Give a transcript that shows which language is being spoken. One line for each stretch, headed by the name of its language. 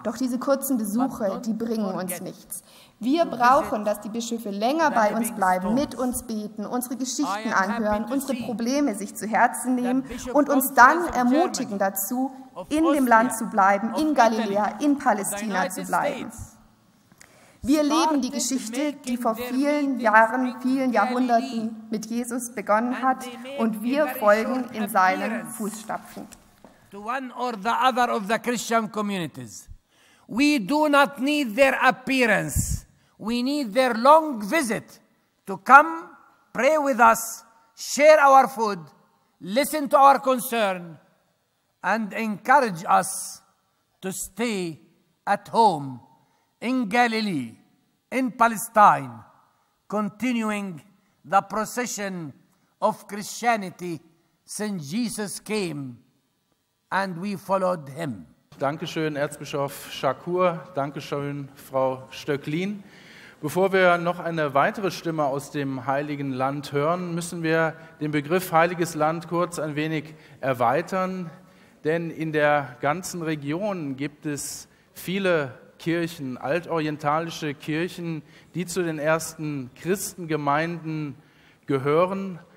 German: Doch diese kurzen Besuche, die bringen uns nichts. Wir brauchen, dass die Bischöfe länger bei uns bleiben, mit uns beten, unsere Geschichten anhören, unsere Probleme sich zu Herzen nehmen und uns dann ermutigen dazu, in dem Land zu bleiben, in Galiläa, in Palästina zu bleiben. Wir leben die Geschichte, die vor vielen Jahren, vielen Jahrhunderten mit Jesus begonnen hat, und wir folgen in seinen Fußstapfen.
English: To one or the other of the Christian communities. We do not need their appearance. We need their long visit to come, pray with us, share our food, listen to our concern and encourage us to stay at home in Galilee, in Palestine, continuing the procession of Christianity since Jesus came and we followed him.
German: Dankeschön, Erzbischof Shakur. Dankeschön, Frau Stöcklin. Bevor wir noch eine weitere Stimme aus dem Heiligen Land hören, müssen wir den Begriff Heiliges Land kurz ein wenig erweitern. Denn in der ganzen Region gibt es viele Kirchen, altorientalische Kirchen, die zu den ersten Christengemeinden gehören.